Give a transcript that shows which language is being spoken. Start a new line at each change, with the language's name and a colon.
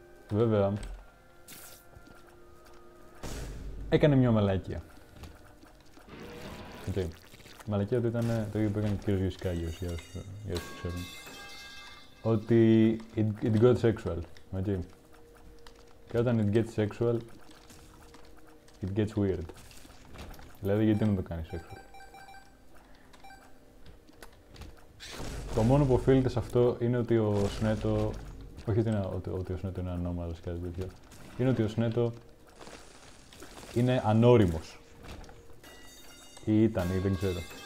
Greek: Βέβαια. Έκανε μια μαλακία. Οκ. Okay. Η μαλακία του ήταν το ίδιο που έκανε ο κύριος Γιουσκάγιος, για όσους ξέρουν. Ότι
English: it got sexual. Οκ. Okay.
Greek: Και όταν
English: it gets sexual, it gets weird.
Greek: Δηλαδή, γιατί να το κάνεις sexual. Το μόνο που οφείλεται σε αυτό είναι ότι ο Σνέτο... Όχι ότι, ότι ο Σνέτο είναι ανώμαλος και κάτι τέτοιο. Είναι ότι ο Σνέτο είναι ανώριμος. Ή ήταν, ή δεν ξέρω.